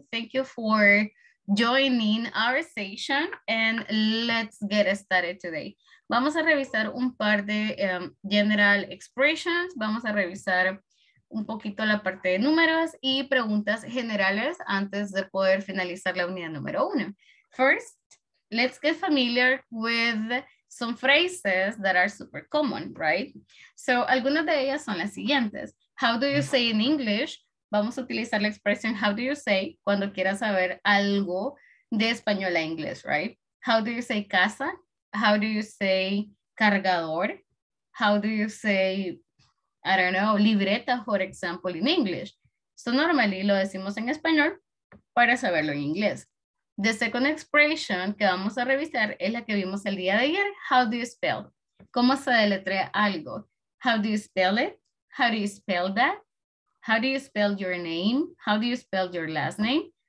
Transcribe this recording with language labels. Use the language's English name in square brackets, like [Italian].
[English] Thank you for joining our session and let's get started today. [Spanish] Vamos a revisar un par de [English] general expressions. [Spanish] Vamos a revisar un poquito la parte de números y preguntas generales antes de poder finalizar la unidad número uno. [English] First, let's get familiar with some phrases that are super common, right? So, [Spanish] algunas de ellas son las siguientes. [English] How do you say in English? [Spanish] Vamos a utilizar la expresión [English] how do you say [Spanish] cuando quieras saber algo de español a inglés, right? [English] How do you say casa? How do you say cargador? How do you say, I don't know, libreta, for example, in English? So normally [Spanish] lo decimos en español para saberlo en inglés. [English] The second expression [Spanish] que vamos a revisar es la que vimos el día de ayer. [English] How do you spell? [Spanish] ¿Cómo se deletrea algo? [English] How do you spell it? How do you spell that? How do you spell your name? How do you spell your last name?